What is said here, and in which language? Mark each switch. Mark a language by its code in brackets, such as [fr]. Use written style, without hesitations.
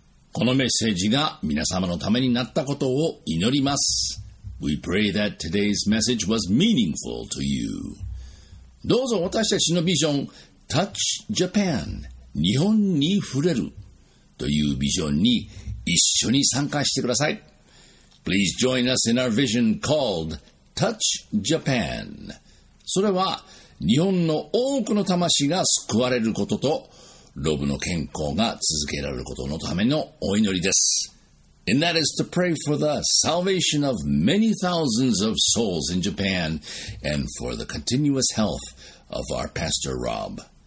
[ja] このメッセージが皆様のためになったことを祈ります。 [en] We pray that today's message was meaningful to you. [ja] どうぞ私たちのビジョン、Touch Japan、日本に触れるというビジョンに一緒に参加してください。 [en] Please join us in our vision called Touch Japan。 [ja] それは日本の多くの魂が救われることと、ロブの健康が続けられることのためのお祈りです。 [en] And that is to pray for the salvation of many thousands of souls in Japan and for the continuous health of our Pastor Rob.